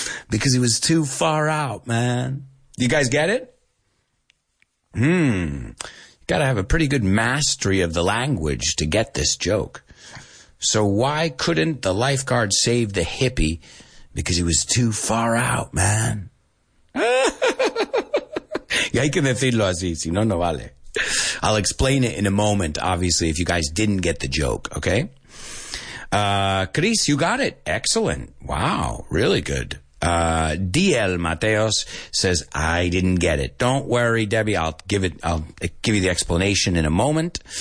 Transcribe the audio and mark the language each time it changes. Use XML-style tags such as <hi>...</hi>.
<en>Because he was too far out, man. You guys get it? Got to have a pretty good mastery of the language to get this joke. So why couldn't the lifeguard save the hippie? Because he was too far out, man.</en> <es>Y hay que decirlo así, si no, no vale.</es> <en>I'll explain it in a moment, obviously, if you guys didn't get the joke, okay? Chris, you got it. Excellent. Wow, really good. DL Mateos says, I didn't get it. Don't worry, Debbie, I'll give you the explanation in a moment.</en>